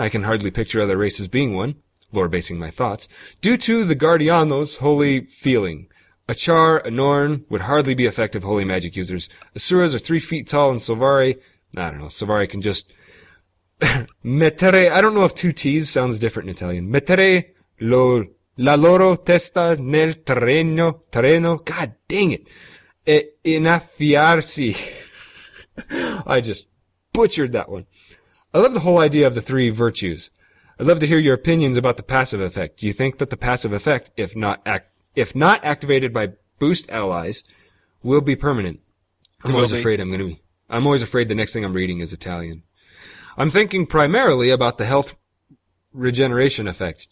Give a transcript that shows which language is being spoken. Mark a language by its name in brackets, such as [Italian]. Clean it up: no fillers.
[English] I can hardly picture other races being one, lore basing my thoughts, due to the Guardiano's holy feeling. A Char, a Norn would hardly be effective holy magic users. Asuras are 3 feet tall, and Silvari, I don't know, Silvari can just... Mettere, I don't know if two T's sounds different in Italian. [Italian] Mettere lo... La loro testa nel terreno, [English] god dang it, [Italian] e innaffiarsi. [English] I just butchered that one. I love the whole idea of the three virtues. I'd love to hear your opinions about the passive effect. Do you think that the passive effect, if not activated by boost allies, will be permanent? I'm always afraid the next thing I'm reading is Italian. I'm thinking primarily about the health regeneration effect.